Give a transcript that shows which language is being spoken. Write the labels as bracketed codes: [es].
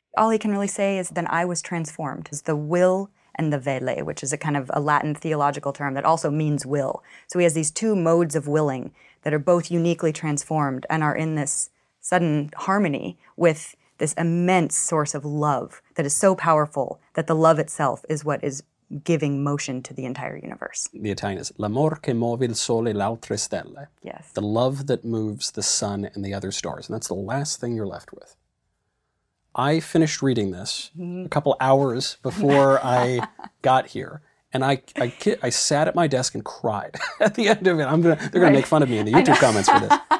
[en] All he can really say is, then I was transformed. It's the will and the vele, which is a kind of a Latin theological term that also means will. So he has these two modes of willing that are both uniquely transformed and are in this sudden harmony with this immense source of love that is so powerful that the love itself is what is giving motion to the entire universe. The Italian is, [it] l'amor che muove il sole e l'altre stelle. [en] Yes. The love that moves the sun and the other stars. And that's the last thing you're left with. I finished reading this a couple hours before I got here. And I sat at my desk and cried at the end of it. They're going to make fun of me in the YouTube comments for this.